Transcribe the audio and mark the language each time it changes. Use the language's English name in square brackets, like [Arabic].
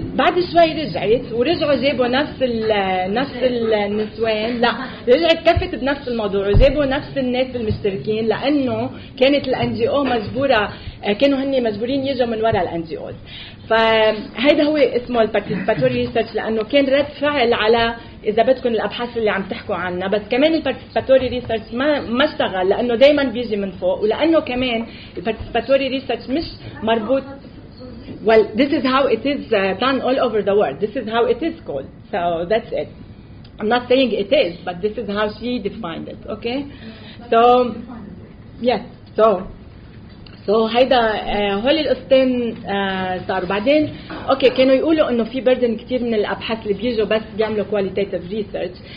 [Arabic] بعد شوي رجعت ورجعوا جابوا نفس النسوان لا رجعت كفت بنفس الموضوع وجابوا نفس الناس المشتركين لانه كانت الان جي او مجبوره كانوا هني مجبورين يجوا من وراء الان جي اوز. فهذا هو اسمه الباتيسيباتوري ريسيرش لانه كان رد فعل على اذا بدكم الابحاث اللي عم تحكوا عنها. بس كمان الباتيسيباتوري ريسيرش ما اشتغل لانه دائما بيجي من فوق ولانه كمان الباتيسيباتوري ريسيرش مش مربوط. [English] Well, this is how it is done all over the world. This is how it is called. So that's it. I'm not saying it is, but this is how she defined it. Okay? So, yes. So, [Arabic] هيدا هول القصتين صاروا بعدين. Okay, كانوا يقولوا انه في بردن كتير من الابحاث اللي بيجوا بس بيعملوا qualitative research.